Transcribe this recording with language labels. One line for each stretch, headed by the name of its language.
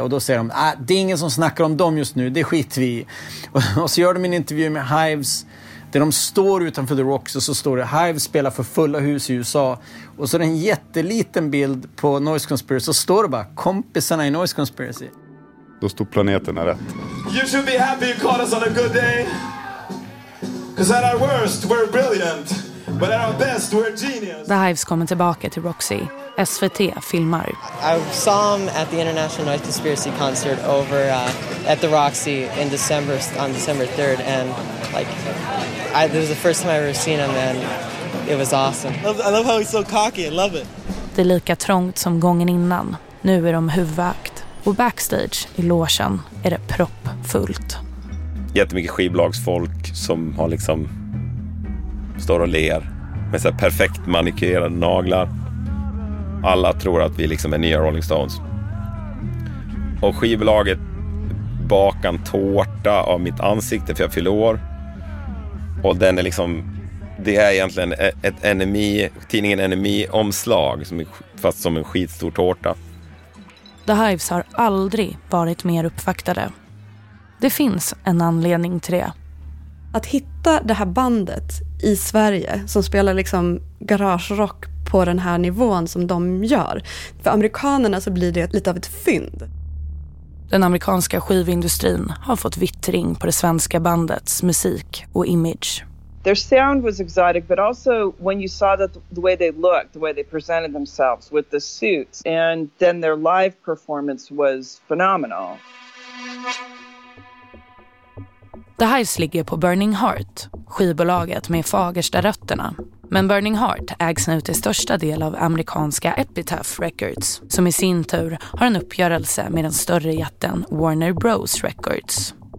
Swedish: Och då säger de, det är ingen som snackar om dem just nu, det skiter vi i. Och så gör de en intervju med Hives där de står utanför The Rocks, och så står det Hive spelar för fulla hus i USA, och så är det en jätteliten bild på Noise Conspiracy, och så står det bara kompisarna i Noise Conspiracy. Då står planeterna rätt.
English: You should be happy you caught us on a good day, cause at our worst we're brilliant, but at our best we're genius.
Swedish: The Hives kommer tillbaka till Roxy. SVT filmar.
English: I saw him at the International Noise Conspiracy concert over at the Roxy in December, on December 3rd, and like, this was the first time I ever seen him, and it was awesome. I love how he's so cocky. I love it.
Swedish: Det är lika trångt som gången innan. Nu är de huvudvakt, och backstage i logen är det proppfullt. Jättemycket skivbolagsfolk som har liksom står och ler med så här perfekt manikyrerade naglar. Alla tror att vi liksom är nya Rolling Stones. Och skivbolaget bakar en tårta av mitt ansikte för jag fyller år. Och den är liksom, det är egentligen ett NME, tidningen NME-omslag, fast som en skitstor tårta. The Hives har aldrig varit mer uppvaktade. Det finns en anledning till det. Att hitta det här bandet i Sverige som spelar liksom garage rock på den här nivån som de gör. För amerikanerna så blir det lite av ett fynd. Den amerikanska skivindustrin har fått vittring på det svenska bandets musik och image.
English: Their sound was exotic, but also when you saw that the way they looked, the way they presented themselves with the suits, and then their live performance was phenomenal.
Swedish: The Hives ligger på Burning Heart, skivbolaget med Fagersta rötterna. Men Burning Heart ägs nu till största del av amerikanska Epitaph Records, som i sin tur har en uppgörelse med den större jätten Warner Bros Records.